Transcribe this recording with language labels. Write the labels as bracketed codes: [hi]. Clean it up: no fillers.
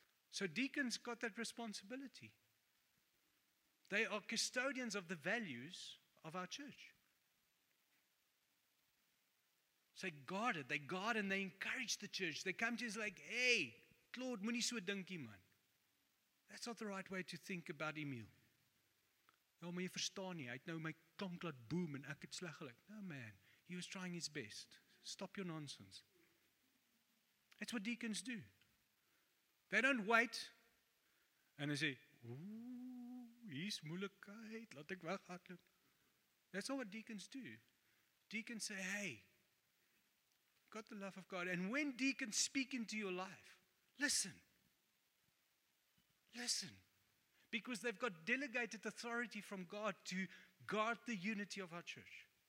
[en] So deacons got that responsibility. They are custodians of the values of our church. So they guard it. They guard and they encourage the church. They come to us like, hey, Claude, [af] moenie so dink nie, man. [en] That's not the right way to think about Emil. [af] Ja, maar jy verstaan nie. Hy het nou my klank laat boom en ek het sleg geluk. [en] No, man. He was trying his best. Stop your nonsense. That's what deacons do. They don't wait. And they say, ooh, [af] hier is moeilijkheid. Laat ek weghardloop. [en] That's not what deacons do. Deacons say, hey, got the love of God. And when deacons speak into your life, listen. Listen. Because they've got delegated authority from God to guard the unity of our church.